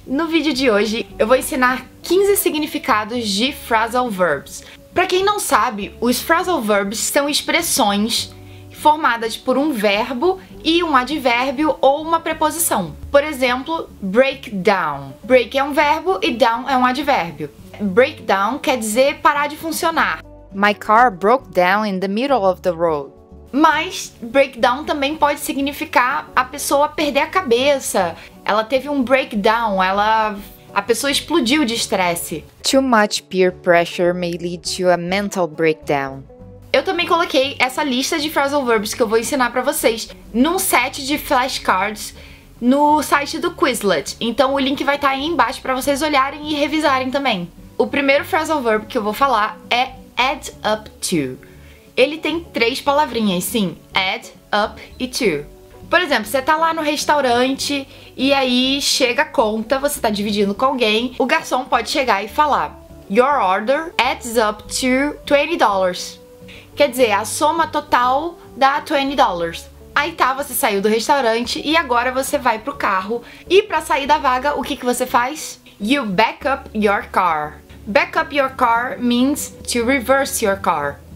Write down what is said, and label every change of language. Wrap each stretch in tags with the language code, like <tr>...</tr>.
<pt>No vídeo de hoje eu vou ensinar 15 significados de phrasal verbs. Pra quem não sabe, os phrasal verbs são expressões formadas por um verbo e um advérbio ou uma preposição. Por exemplo, break down. Break é um verbo e down é um advérbio. Break down quer dizer parar de funcionar.</pt> <en>My car broke down in the middle of the road.</en> <pt>Mas breakdown também pode significar a pessoa perder a cabeça. Ela teve um breakdown, a pessoa explodiu de estresse.</pt> <en>Too much peer pressure may lead to a mental breakdown.</en> <pt>Eu também coloquei essa lista de phrasal verbs que eu vou ensinar pra vocês num set de flashcards no site do Quizlet. Então o link vai estar aí embaixo pra vocês olharem e revisarem também. O primeiro phrasal verb que eu vou falar é add up to. Ele tem três palavrinhas, sim, add, up e to. Por exemplo, você tá lá no restaurante e aí chega a conta, você tá dividindo com alguém, o garçom pode chegar e falar:</pt> <en>your order adds up to $20.</en> <pt>Quer dizer, a soma total dá $20. Aí tá, você saiu do restaurante e agora você vai pro carro. E pra sair da vaga, o que que você faz?</pt> <en>You back up your car. Back up your car means to reverse your car.</en>